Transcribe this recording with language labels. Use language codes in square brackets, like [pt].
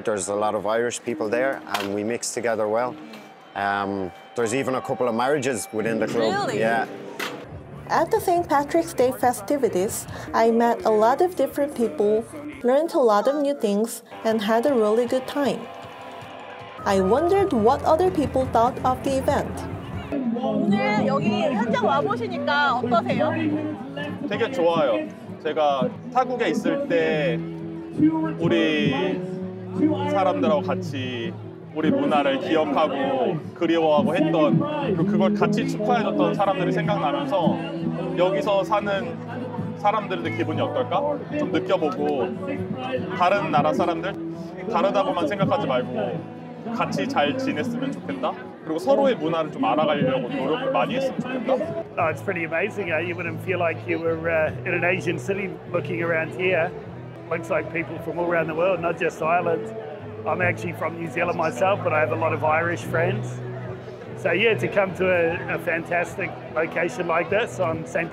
[en] There's a lot of Irish people there and we mix together well. There's even a couple of marriages within the club. Really? Yeah. At the St. Patrick's Day festivities, I met a lot of different people, learned a lot of new things, and had a really good time. I wondered what other people thought of the event. [ko] 오늘 여기 현장 와 보시니까 어떠세요? 되게 좋아요. 제가 타국에 있을 때 우리 사람들하고 같이 우리 문화를 기억하고 그리워하고 했던 그리고 그걸 같이 축하해줬던 사람들이 생각나면서 여기서 사는 사람들도 기분이 어떨까? 좀 느껴보고 다른 나라 사람들 다르다고만 생각하지 말고 같이 잘 지냈으면 좋겠다. 그리고 서로의 문화를 좀 알아가려고 노력을 많이 했으면 좋겠다. [en] Oh, it's pretty amazing. You wouldn't feel like you were in an Asian city looking around here. Looks like people from all around the world, not just Ireland. I'm actually from New Zealand myself, but I have a lot of Irish friends. So yeah, to come to a fantastic location like this on St.